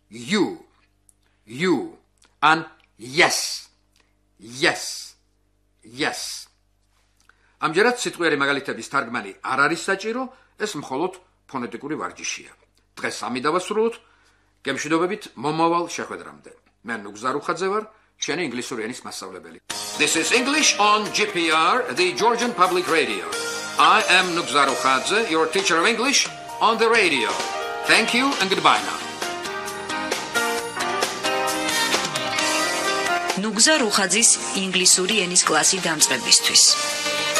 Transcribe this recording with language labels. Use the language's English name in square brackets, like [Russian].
[English] You. You. And yes. Yes. Yes. [Georgian] ამჯერად სიტყვიერი მაგალითების თარგმანი არ არის საჭირო, ეს მხოლოდ ფონეტიკური ვარჯიშია. დღეს ამით დავასრულოთ. გემშვიდობებით მომავალ შეხვედრამდე. მე ნუგზარ რუხაძე ვარ, ჩვენი ინგლისური ენის მასწავლებელი. [English] This is English on GPR, the Georgian Public Radio. I am Nugzar Rukhadze, your teacher of English on the radio. Thank you and goodbye now. [Georgian] Nugzar Rukhadze's English-ური ენის კლასი დამწყებისთვის.